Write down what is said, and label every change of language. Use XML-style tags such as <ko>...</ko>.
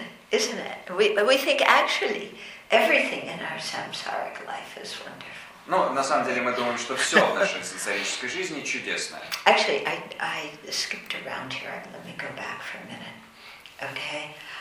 <en>Isn't it? We think actually everything in our samsaric life is wonderful.</en> <ru>Ну, на самом деле, мы думаем, что все в нашей сансарической жизни чудесное.</ru> <en>Actually, I skipped around here. Let me go back for a minute. Okay.</en>